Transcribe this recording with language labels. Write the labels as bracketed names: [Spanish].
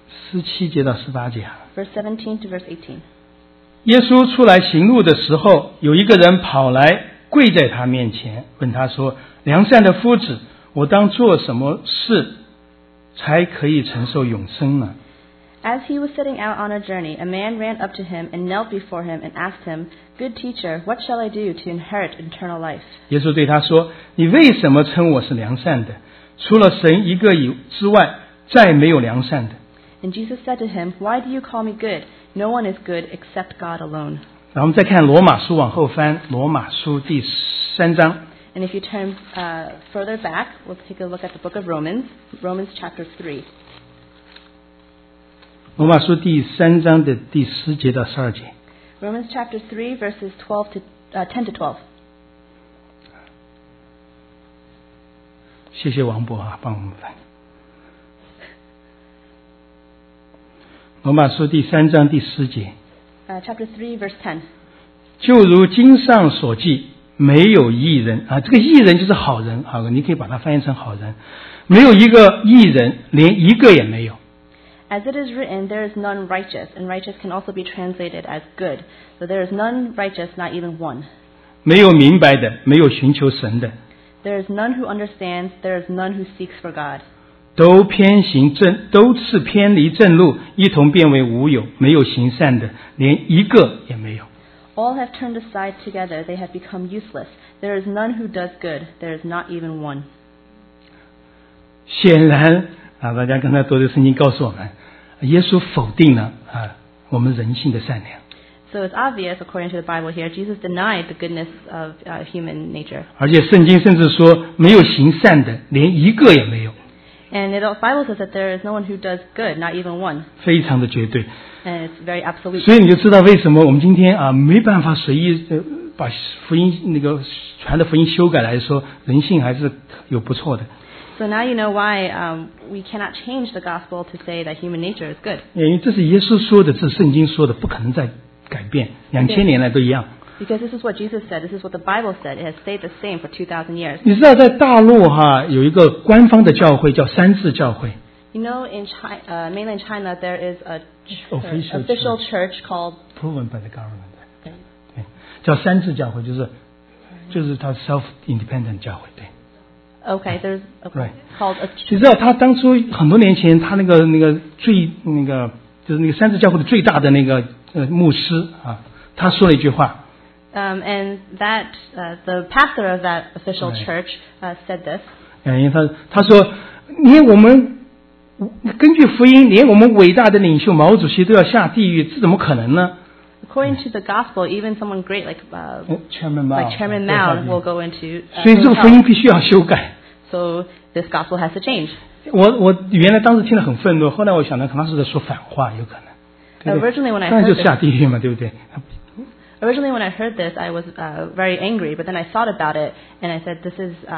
[Chinese] 十七节到十八节。 [English] Verse 17 to verse 18. [Chinese] 耶稣出来行路的时候，有一个人跑来跪在他面前，问他说：“良善的夫子，我当做什么事才可以承受永生呢？” [English] As he was setting out on a journey, a man ran up to him and knelt before him and asked him, "Good teacher, what shall I do to inherit eternal life?" [Chinese] 耶稣对他说：“你为什么称我是良善的？除了神一个之外，再没有良善的。” [English] And Jesus said to him, "Why do you call me good? No one is good except God alone." [Chinese] 然后我们再看罗马书往后翻，罗马书第三章。 [English] And if you turn further back, we'll take a look at the book of Romans, Romans chapter 3. [Chinese] 罗马书第三章的第十节到十二节。 [English] Romans chapter 3, verses 12 to 10 to 12. [Chinese] 谢谢王博啊，帮我们翻。罗马书第三章第十节。 [English] Chapter 3, verse 10. [Chinese] 就如经上所记，没有义人啊，这个义人就是好人啊，你可以把它翻译成好人，没有一个义人，连一个也没有。 [English] As it is written, there is none righteous, and righteous can also be translated as good. So there is none righteous, not even one. [Chinese] 没有明白的，没有寻求神的。 [English] There is none who understands, there is none who seeks for God. [Chinese] 都是偏离正路，一同变为无有，没有行善的，连一个也没有。 [English] All have turned aside together, they have become useless. There is none who does good, there is not even one. [Chinese] 显然，大家刚才读的圣经告诉我们，耶稣否定了我们人性的善良。 [English] So it's obvious, according to the Bible here, Jesus denied the goodness of human nature. [Chinese] 而且圣经甚至说，没有行善的，连一个也没有。 [English] And the Bible says that there is no one who does good, not even one. [Chinese] 非常的绝对。 [English] And it's very absolute. [Chinese] 所以你就知道为什么我们今天没办法随意把福音那个传的福音修改来说，人性还是有不错的。 So now you know why we cannot change the gospel to say that human nature is good. 因为这是耶稣说的，这是圣经说的，不可能再改变，两千年来都一样。 [English] Okay. Because this is what Jesus said. This is what the Bible said. It has stayed the same for 2,000 years. [Chinese] 你知道在大陆哈有一个官方的教会叫三字教会。 [English] You know, in China, mainland China, there is a church, official church called Proven by the government. [Chinese] 对，叫三字教会，就是它 self-independent 教会，对。 [English] Okay, there's okay, called a church. [Chinese] 你知道他当初很多年前，他那个最那个就是那个三字教会的最大的那个牧师啊，他说了一句话。 [English] And that the pastor of that official church said this. [Chinese] 因为他说，连我们根据福音，连我们伟大的领袖毛主席都要下地狱，这怎么可能呢？ [English] According to the gospel, even someone great like Chairman Mao, like Chairman Mao will go into. [Chinese] 所以这个福音必须要修改。 [English] So this gospel has to change. [Chinese] 我原来当时听得很愤怒，后来我想到可能是在说反话，有可能。 [English] Originally when I [Chinese] 当然就下地狱嘛，对不对？ [English] Originally when I heard this, I was very angry. But then I thought about it, and I said, "This is